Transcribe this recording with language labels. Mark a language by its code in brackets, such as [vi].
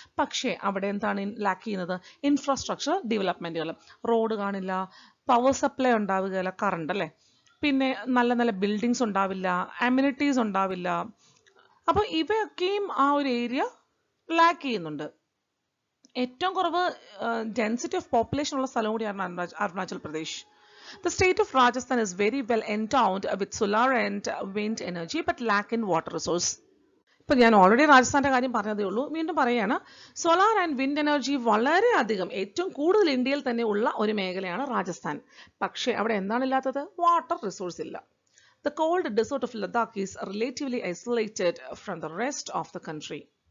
[ml] പക്ഷേ അവിടെ എന്താണ് ലാക്ക് ചെയ്യുന്നത്? ഇൻഫ്രാസ്ട്രക്ചർ ഡെവലപ്മെൻറ്റുകൾ. റോഡ് കാണില്ല, പവർ സപ്ലൈ ഉണ്ടാവുകയില്ല, കറണ്ട് അല്ലേ. പിന്നെ നല്ല നല്ല ബിൽഡിങ്സ് ഉണ്ടാവില്ല, അമിനിറ്റീസ് ഉണ്ടാവില്ല. അപ്പോൾ ഇവയൊക്കെയും ആ ഒരു ഏരിയ ലാക്ക് ചെയ്യുന്നുണ്ട്. ഏറ്റവും കുറവ് [en] density of population [ml] ഉള്ള സ്ഥലം കൂടിയാണ് Arunachal Pradesh. [en] The state of Rajasthan is very well endowed with solar and wind energy but lack in water resource. [ml] ഇപ്പോൾ ഞാൻ ഓൾറെഡി രാജസ്ഥാൻ്റെ കാര്യം പറഞ്ഞതേ ഉള്ളൂ, വീണ്ടും പറയുകയാണ്. സോളാർ ആൻഡ് വിൻഡ് എനർജി വളരെയധികം ഏറ്റവും കൂടുതൽ ഇന്ത്യയിൽ തന്നെ ഉള്ള ഒരു മേഖലയാണ് രാജസ്ഥാൻ. പക്ഷേ അവിടെ എന്താണ് ഇല്ലാത്തത്? വാട്ടർ റിസോഴ്സ് ഇല്ല. [en] The cold desert of Ladakh is relatively isolated from the rest of the country.